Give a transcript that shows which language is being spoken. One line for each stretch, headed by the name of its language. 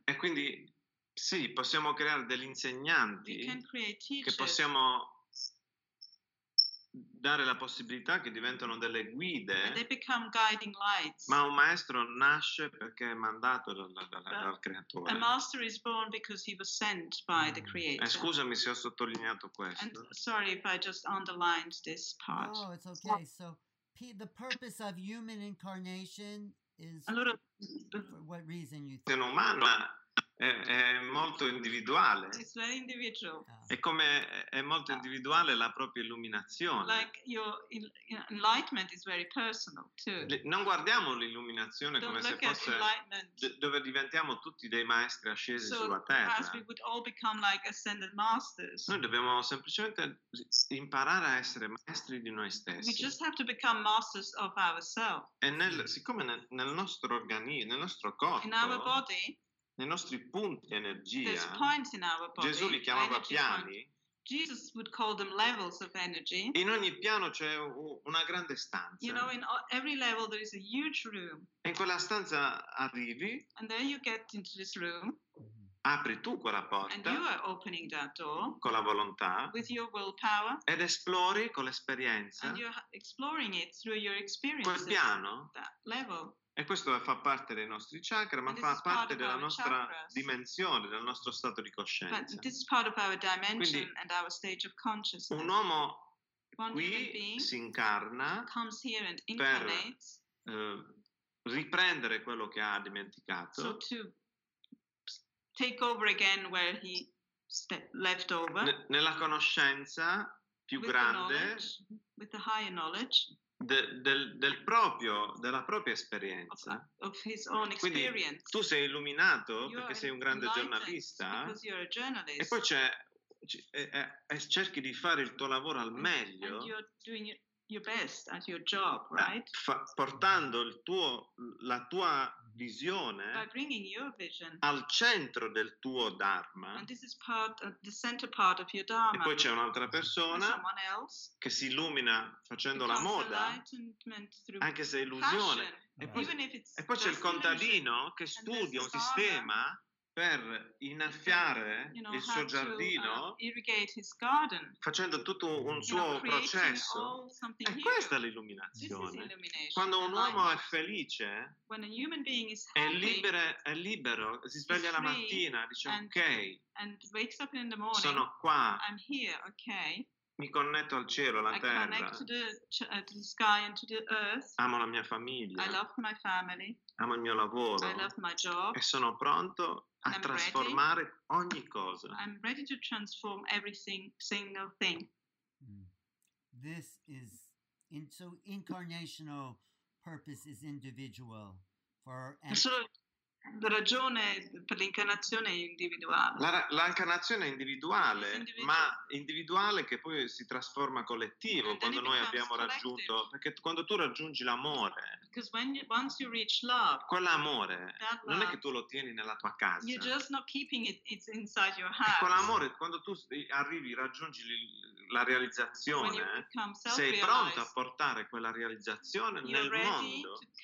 Italian: E quindi sì, possiamo creare degli insegnanti
English: we can create teachers
Italian: che possiamo dare la possibilità che diventano delle guide.
English: They become guiding lights.
Italian: Ma un maestro nasce perché è mandato dal creatore.
English: A master is born because he was sent by the creator.
Italian: Scusami se ho sottolineato questo.
English: And sorry if I just underlined this part. Oh, it's okay. So the purpose of human incarnation is
Italian: allora,
English: for what reason you think?
Italian: Umana È molto individuale.
English: It's very individual.
Italian: È come è molto individuale la propria illuminazione.
English: Like your enlightenment is very personal too.
Italian: Non guardiamo l'illuminazione come se fosse dove diventiamo tutti dei maestri ascesi sulla terra.
English: As we would all become like ascended masters.
Italian: Noi dobbiamo semplicemente imparare a essere maestri di noi stessi.
English: We just have to become masters of ourselves.
Italian: E siccome nel nostro organismo, nel nostro corpo,
English: in our body,
Italian: nei nostri punti di energia,
English: points in our body,
Italian: Gesù li chiamava piani.
English: Jesus would call them levels of energy.
Italian: In ogni piano c'è una grande stanza.
English: You know, in every level there is a huge room.
Italian: E in quella stanza arrivi.
English: And then you get into this room.
Italian: Apri tu quella porta.
English: And you are opening that door.
Italian: Con la volontà.
English: With your willpower.
Italian: Ed esplori con l'esperienza.
English: And you're exploring it through your experiences.
Italian: Quel piano.
English: That level.
Italian: E questo fa parte dei nostri chakra, ma fa parte della nostra dimensione, del nostro stato di coscienza.
English: But this is part of our dimension and our stage of consciousness.
Italian: Un uomo qui si incarna per riprendere quello che ha dimenticato.
English: So to take over again where he left over.
Italian: Nella conoscenza più grande,
English: with the higher knowledge.
Italian: Della propria esperienza.
English: Of his own experience.
Italian: Quindi tu sei illuminato perché sei un grande giornalista.
English: Because you're a journalist.
Italian: E poi cerchi di fare il tuo lavoro al meglio.
English: And you're doing your best at your job, right?
Italian: Portando la tua visione
English: by bringing your vision
Italian: al centro del tuo dharma.
English: And this is part of the center part of your dharma.
Italian: E poi c'è un'altra persona che si illumina facendo la moda, anche se è illusione. E poi c'è il contadino che studia un sistema per innaffiare il suo giardino,
English: irrigate his garden,
Italian: facendo tutto un suo processo. E questa è l'illuminazione. Quando un uomo è felice,
English: when a human being is happy,
Italian: è libero, si sveglia la mattina, dice
English: and wakes up in the morning,
Italian: sono qua,
English: I'm here, okay.
Italian: Mi connetto al cielo, alla terra,
English: to the sky and to the earth.
Italian: Amo la mia famiglia,
English: I love my family.
Italian: Amo il mio lavoro,
English: I love my job.
Italian: E sono pronto a trasformare ogni cosa.
English: I'm ready to transform every single thing. This is so incarnational purpose is individual for
Italian: La ragione per l'incarnazione è individuale. L'incarnazione è individuale, ma individuale che poi si trasforma collettivo quando noi abbiamo raggiunto, perché quando tu raggiungi l'amore, quell'amore non è che tu lo tieni nella tua casa.
English: You're just not keeping it inside your house.
Italian: E quell'amore, quando tu arrivi, raggiungi la realizzazione, sei pronto a portare quella realizzazione nel mondo.